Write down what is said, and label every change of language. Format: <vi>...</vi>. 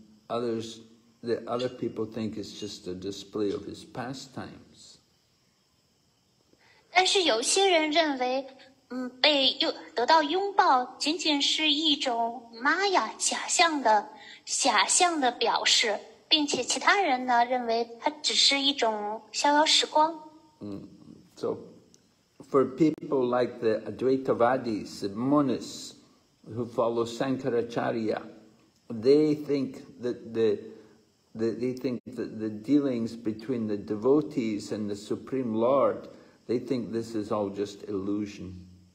<en>And other people think it's just a display of his pastimes.</en> <zh>但是有些人认为。被得到拥抱仅仅是一种玛雅假象的表示，并且其他人呢认为它只是一种逍遥时光。</zh> <en>So for people like the Advaitavadis, the monists who follow Sankaracharya, they think that the dealings between the devotees and the Supreme Lord, they think this is all just illusion.</en>